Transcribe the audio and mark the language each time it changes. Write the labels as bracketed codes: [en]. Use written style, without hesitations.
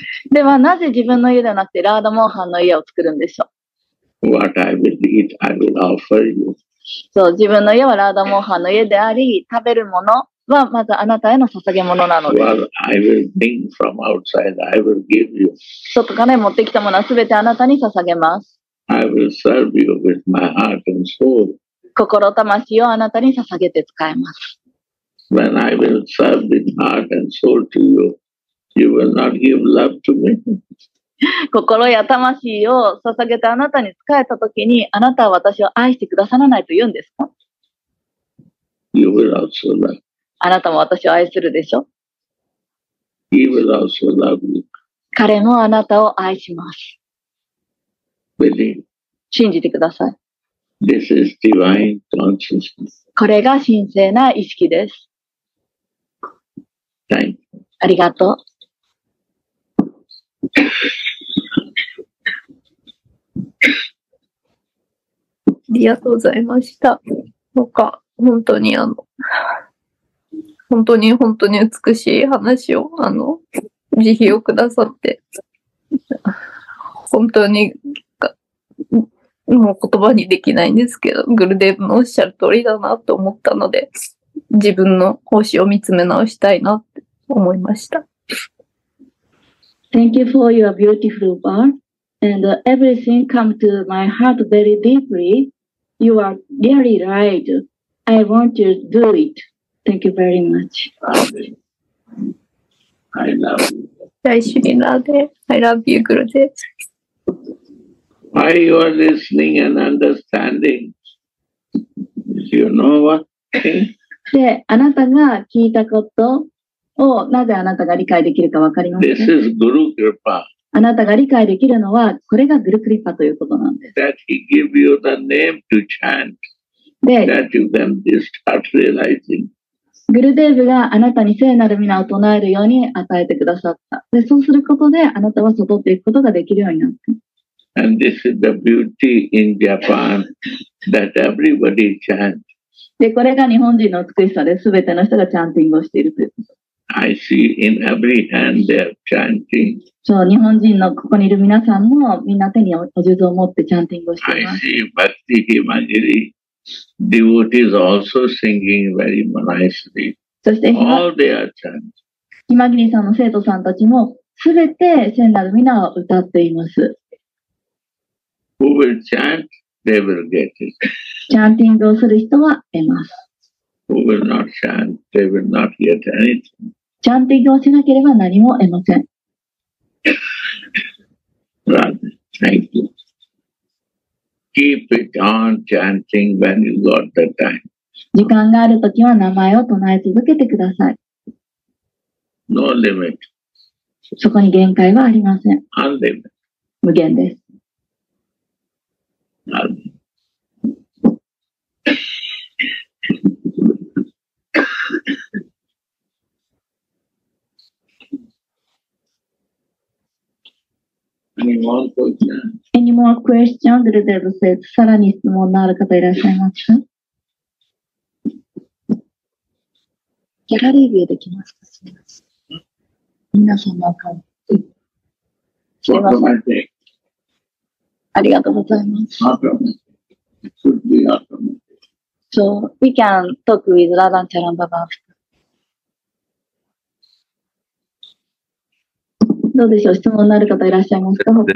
[ja] ではなぜ自分の家ではなくてラーダモーハンの家を作るんでしょう。 [en] What I will eat, I will offer you. [ja] そう、自分の家はラーダモーハンの家であり、食べるものはまずあなたへの捧げ物なので。 [en] Well, I will bring from outside. I will give you. [ja] 外から持ってきたものはすべてあなたに捧げます。 [en] I will serve you with my heart and soul. [ja] 心魂をあなたに捧げて使います。 [en] When I will serve with heart and soul to you, you will not give love to me. [ja] 心や魂を捧げてあなたに仕えたときに、あなたは私を愛してくださらないと言うんですか？ [en] You will also love. [ja] あなたも私を愛するでしょ？ [en] He will also love you. [ja] 彼もあなたを愛します。 [en] Believe. [ja] 信じてください。 [en] This is divine consciousness. [ja] これが神聖な意識です。ありがとう。ありがとうございました。なんか、本当に本当に本当に美しい話を、慈悲をくださって、本当に、もう言葉にできないんですけど、グルデーブのおっしゃる通りだなと思ったので、自分の星を見つめ直したいなって。思いました。 [en] Thank you for your beautiful bar. And everything come to my heart very deeply. You are really right. I want you to do it. Thank you very much. I love you. I should love you. I love you, Gurudev. While you are listening and understanding, you know what? [ja] で、あなたが聞いたこと、をなぜあなたが理解できるかわかりますか？ [en] This is Guru Kripa. [ja] あなたが理解できるのは、これがグルクリパということなんです。 [en] That he give you the name to chant. That you can start realizing. [ja] グルデーブがあなたに聖なる皆を唱えるように与えてくださった。で、そうすることで、あなたは悟っていくことができるようになった。 [en] And this is the beauty in Japan that everybody chants. [ja] で、これが日本人の美しさです。すべての人がチャンティングをしているということ。 [en] I see in every hand they are chanting. [ja] そう、日本人のここにいる皆さんもみんな手にお数珠を持ってチャンティングをしています。 [en] I see Bhakti Himagiri. Devotees also singing very nicely. [ja] そして、 [en] All they are chanting. [ja] Himagiri さんの生徒さんたちもすべて聖なる皆を歌っています。 [en] Who will chant, they will get it. [ja] チャンティングをする人は得ます。 [en] Who will not chant, they will not get anything. [ja] チャンティングをしなければ何も得ません。 [en] Rather, thank you. Keep it on chanting when you got the time. [ja] 時間があるときは名前を唱え続けてください。 [en] No limit. [ja] そこに限界はありません。 [en] Unlimited. [ja] 無限です。 [en] Any more questions? Gurudev said, [ja] さらに質問のある方いらっしゃいますか？ギャラリービューできますか？すみません。皆さんの顔。すみません。ありがとうございます。 [en] So, we can talk with Radha and Charan Baba. [ja] どうでしょう？質問のある方いらっしゃいますか？